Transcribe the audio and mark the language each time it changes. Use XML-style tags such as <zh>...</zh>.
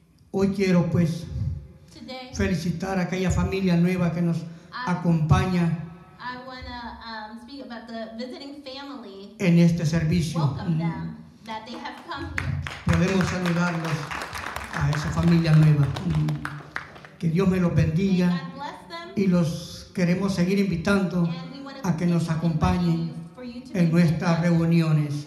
<es>Hoy quiero pues felicitar a aquella familia nueva que nos acompaña.</es> <en>I want to speak about the visiting family.</en> <es>En este servicio.</es> <en>Welcome them. That they have come here.</en> <es>Podemos saludarlos a esa familia nueva. Que Dios me los bendiga.</es> <en>May God bless them.</en> <es>Y los queremos seguir invitando a que nos acompañen en nuestras reuniones.</es>